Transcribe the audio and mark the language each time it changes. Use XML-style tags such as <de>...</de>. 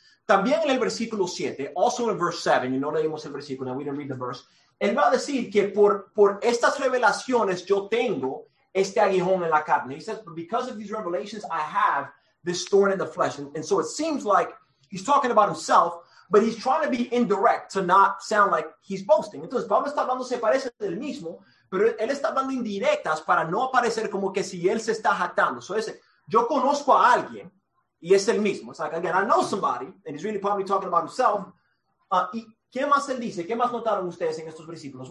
<es>También en el versículo 7,</es> <en>also in verse 7,</en> <es>y no leímos el versículo,</es> <en>we didn't read the verse,</en> <es>él va a decir que por estas revelaciones yo tengo este aguijón en la carne.</es> <en>He says, because of these revelations I have this thorn in the flesh. And so it seems like he's talking about himself, but he's trying to be indirect to not sound like he's boasting.</en> <es>Entonces, Pablo está hablando, se parece del mismo, pero él está hablando indirectas para no aparecer como que si él se está jactando. So dice, yo conozco a alguien, y es el mismo.</es> <en>It's like, again, I know somebody, and he's really probably talking about himself.</en> <es>¿Y qué más él dice? ¿Qué más notaron ustedes en estos versículos?</es>